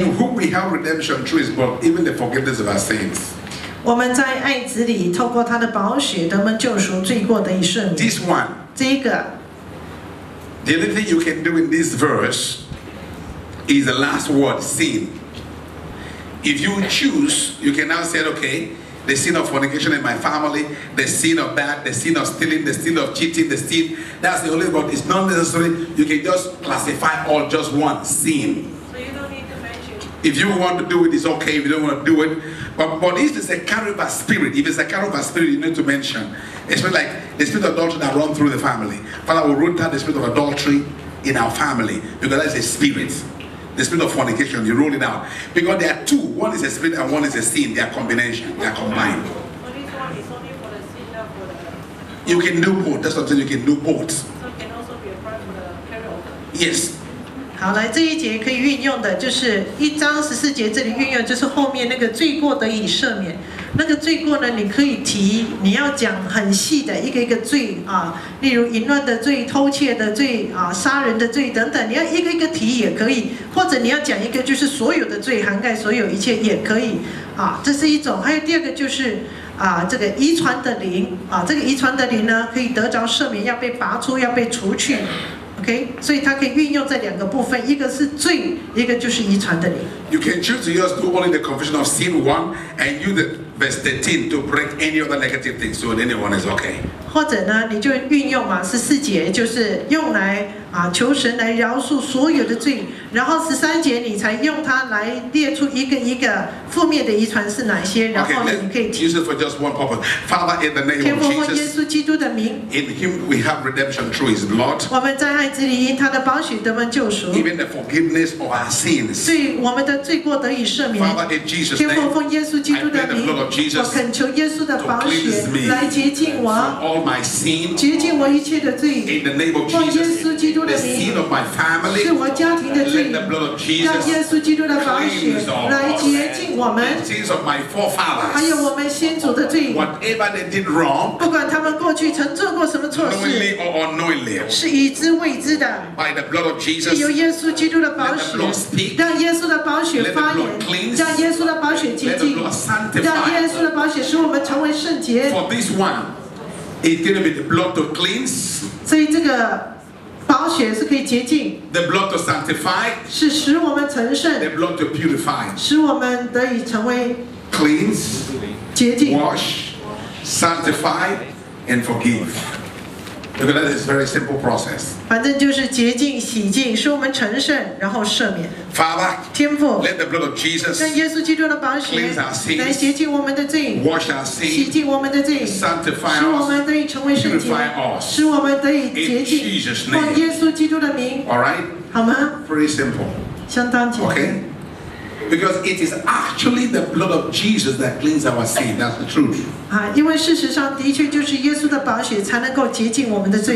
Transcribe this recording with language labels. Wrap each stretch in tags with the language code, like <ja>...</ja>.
<en>In whom we have redemption through His blood, even the forgiveness of our sins.</en> <zh>我们在爱子里，透过他的宝血，得蒙救赎，罪过得以赦免。</zh> <en>This one.</en> <zh>这一个。</zh> <en>The only thing you can do in this verse is the last word, sin. If you choose, you can now say, okay. The sin of fornication in my family, the sin of that, the sin of stealing, the sin of cheating, the sin, that's the only one. It's not necessary. You can just classify all just one sin. So you don't need to mention. If you want to do it, it's okay. If you don't want to do it. But if it's a carnival spirit, if it's a carnival spirit, you need to mention. It's like the spirit of adultery that runs through the family. Father, we root out the spirit of adultery in our family because that is a spirit. The spirit of fornication, you roll it out. Because there are two. One is a spirit and one is a sin. They are combination. They are combined. Only one is only for the sin, not for the... You can do both. That's what I'm saying. You can do both. So it can also be applied for the carry-over. Yes.</en> <zh>好，来这一节可以运用的，就是一章十四节，这里运用就是后面那个罪过得以赦免。那个罪过呢，你可以提，你要讲很细的一个一个罪啊，例如淫乱的罪、偷窃的罪啊、杀人的罪等等，你要一个一个提也可以，或者你要讲一个就是所有的罪，涵盖所有一切也可以啊，这是一种。还有第二个就是啊，这个遗传的灵啊，这个遗传的灵呢，可以得着赦免，要被拔出，要被除去。 Okay, 所以它可以运用这两个部分，一个是罪，一个就是遗传的灵。</zh> <en>You can choose to just do only the confession of sin one and use the verse 13 to break any other negative things, so anyone is okay.</en> <zh>或者呢，你就运用嘛，十四节就是用来啊求神来饶恕所有的罪，然后十三节你才用它来列出一个一个负面的遗传是哪些，然后你可以提。</zh> <en>Okay, use it for just one purpose. Father, in the name of Jesus.</en> <zh>天父，奉耶稣基督的名。</zh> <en>In Him we have redemption through His blood.</en> <zh>我们在爱子里因他的宝血得蒙救赎。</zh> <en>Even the forgiveness of our sins.</en> <zh>对我们的罪过得以赦免。</zh> <en>Father, in Jesus' name.</en> <zh>天父，奉耶稣基督的名。我恳求耶稣的宝血来洁净我。</zh> <en>All my sin.</en> <zh>洁净我一切的罪。</zh> <en>In the name of Jesus. The sin of my family.</en> <zh>是我家庭的罪。</zh> <en>Let the blood of Jesus.</en> <zh>让耶稣基督的宝血来洁净我们。</zh> <en>The sins of my forefathers.</en> <zh>还有我们先祖的罪。</zh> <en>Whatever they did wrong.</en> <zh>不管他们过去曾做过什么错事。</zh> <en>Knowingly or unknowingly.</en> <zh>是已知未知的。</zh> <en>By the blood of Jesus.</en> <zh>由耶稣基督的宝血。</zh> <en>Let the blood</en> <zh>speak. 让耶稣的宝血发言。</zh> <en>Let the blood cleanse.</en> <zh>让耶稣的宝血洁净。</zh> <en>Let the blood sanctify.</en> <zh>让耶稣的宝血使我们成为圣洁。</zh> <en>For this one, it didn't be the blood to cleanse.</en> <zh>所以这个。宝血是可以洁净</zh> <en>，the blood to sanctify，</en> <zh>是使我们成圣</zh> <en>；the blood to purify，</en> <zh>使我们得以成为</zh> <en>cleanse，</en> <zh>洁净</zh> <en>；wash， sanctify， and forgive。 Look at that, it's a very simple process.</en> <zh>反正就是洁净、洗净，使我们成圣，然后赦免。</zh> <en>Father，</en> <zh>天父</zh> <en>，let the blood of Jesus，</en> <zh>让耶稣基督的宝血</zh> <en>cleanse our sins，</en> <zh>来洁净我们的罪</zh> <en>；wash our sins，</en> <zh>洗净我们的罪</zh> <en>；sanctify us，</en> <zh>使我们得以成为圣洁</zh> <en>；purify us，</en> <zh>使我们得以洁净</zh> <en>；in Jesus' name，</en> <zh>奉耶稣基督的名</zh> <en>，All right，</en> <zh>好吗</zh> <en>？Pretty simple，</en> <zh>相当简单</zh> <en>，OK。 Because it is actually the blood of Jesus that cleans our sin. That's the truth.</en> <zh>啊，因为事实上的确就是耶稣的宝血才能够洁净我们的罪。</zh>